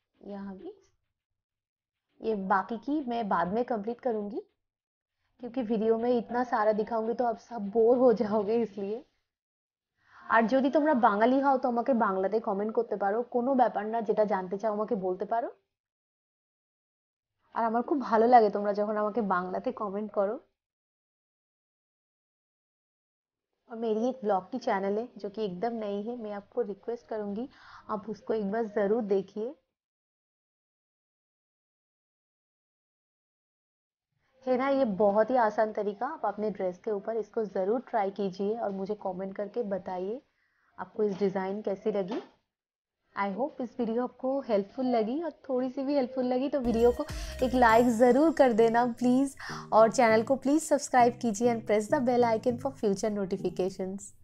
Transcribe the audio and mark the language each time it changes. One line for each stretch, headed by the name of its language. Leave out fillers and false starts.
Hindi: यहाँ भी ये बाकी की मैं बाद में कंप्लीट करूंगी, क्योंकि वीडियो में इतना सारा दिखाऊंगी तो आप सब बोर हो जाओगे इसलिए।
Bangla: আর যদি তোমরা বাঙালি হও তো আমাকে বাংলাতে কমেন্ট করতে পারো, কোনো ব্যাপার না, যেটা জানতে চাও আমাকে বলতে পারো। আর আমার খুব ভালো লাগে তোমরা যখন আমাকে বাংলাতে কমেন্ট করো।
Hindi: আর মেরি এক ব্লগ কি চ্যানেল হে জো কি একদম নই হে, মে আপকো রিকোয়েস্ট করুঙ্গি আপ উসকো একবার জরুর দেখিয়ে। है ना, ये बहुत ही आसान तरीका, आप अपने ड्रेस के ऊपर इसको ज़रूर ट्राई कीजिए और मुझे कमेंट करके बताइए आपको इस डिज़ाइन कैसी लगी। आई होप इस वीडियो आपको हेल्पफुल लगी, और थोड़ी सी भी हेल्पफुल लगी तो वीडियो को एक लाइक ज़रूर कर देना प्लीज़, और चैनल को प्लीज़ सब्सक्राइब कीजिए
English: And press the bell icon for future notifications.